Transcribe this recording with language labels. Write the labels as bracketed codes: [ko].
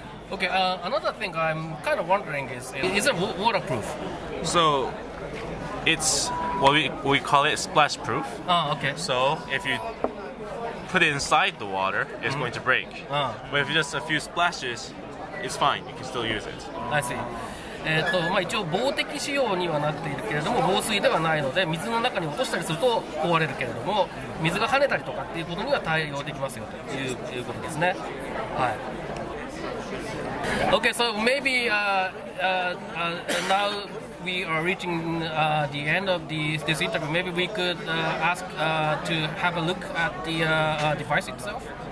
[en] Okay, another thing I'm kind of wondering is it waterproof? So it's what we call it splash proof. Okay. So if you put it inside the water, it's going to break. But if just a few splashesIt's fine. You can still use it. I see. [ja] まあ、一応防滴仕様にはなっているけれども防水ではないので水の中に落としたりすると壊れるけれども水が跳ねたりとかっていうことには対応できますよということですね。はい。 [en] Okay, so maybe now we are reaching the end of this interview. Maybe we could ask to have a look at the device itself.